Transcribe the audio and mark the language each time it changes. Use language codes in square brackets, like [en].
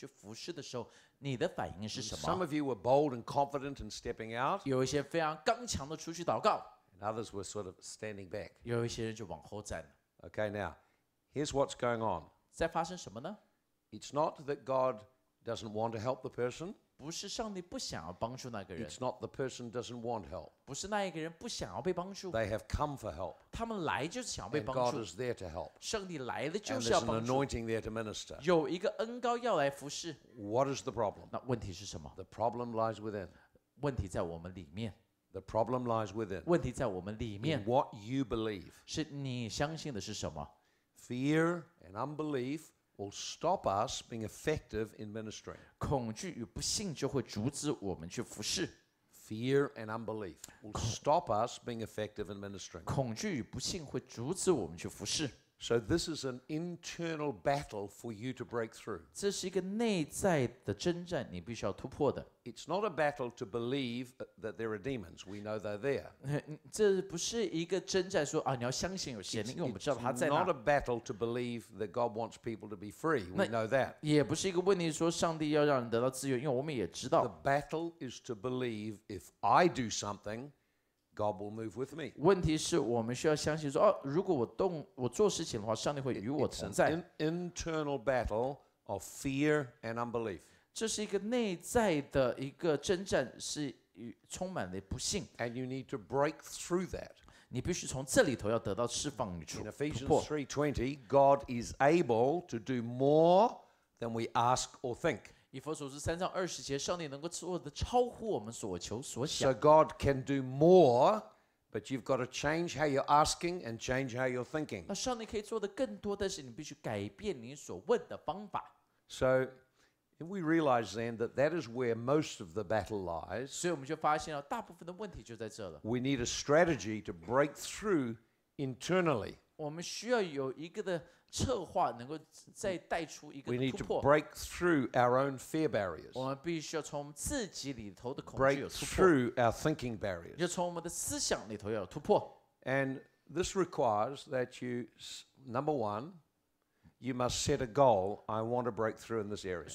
[zh] 所以我们昨天就在看，当你要站在别人前面去服事的时候，你的反应是什么？ [en] Some of you were bold and confident in stepping out. [zh] 有一些非常刚强的出去祷告。 [en] And others were sort of standing back. [zh] 有一些人就往后站了。 [en] Okay, now, here's what's going on. [zh] 在发生什么呢？ [en] It's not that God doesn't want to help the person. [zh] 不是上帝不想要帮助那个人。 [en] It's not the person doesn't want help. [zh] 不是那一个人不想要被帮助。 [en] They have come for help. [zh] 他们来就是想要被帮助。 [en] And God is there to help. [zh] 上帝来了就是要帮助。 [en] And there's an anointing there to minister. [zh] 有一个恩膏要来服侍。 [en] What is the problem? [zh] 那问题是什么? [en] The problem lies within. [zh] 问题在我们里面。 [en] The problem lies within. [zh] 问题在我们里面。 [en] In what you believe. [zh] 是你相信的是什么? [en] Fear and unbelief will stop us being effective in ministry. [zh] 恐惧与不信就会阻止我们去服事。 [en] Fear and unbelief will stop us being effective in ministry. [zh] 恐惧与不信会阻止我们去服事。 [en] So this is an internal battle for you to break through. [zh] 这是一个内在的征战，你必须要突破的。 [en] It's not a battle to believe that there are demons. We know they're there. [zh] 这不是一个征战说啊，你要相信有邪灵，因为我们知道他在哪。 [en] It's not a battle to believe that God wants people to be free. We know that. [zh] 也不是一个问题说上帝要让人得到自由，因为我们也知道。 [en] The battle is to believe if I do something. God will move with me. [zh] 问题是我们需要相信说，哦，如果我做事情的话，上帝会与我同在。 [en] It's an internal battle of fear and unbelief. [zh] 这是一个内在的一个征战，是充满了不信。 [en] And you need to break through that. [zh] 你必须从这里头要得到释放与突破。 [en] In Ephesians 3:20, God is able to do more than we ask or think. [zh] 以弗所书三章二十节，上帝能够做的超乎我们所求所想。 [en] So God can do more, but you've got to change how you're asking and change how you're thinking. [zh] 那上帝可以做的更多，但是你必须改变你所问的方法。 [en] So if we realize then that that is where most of the battle lies. [zh] 所以我们就发现了大部分的问题就在这了。 [en] We need a strategy to break through internally. [zh] 我们需要有一个的。策划能够再带出一个突破。 [en] We need to break through our own fear barriers. [zh] 我们必须要从自己里头的恐惧突破。 [en] Break through our thinking barriers. [zh] 要从我们的思想里头要突破。 [en] And this requires that you, number one, you must set a goal. I want to break through in this area.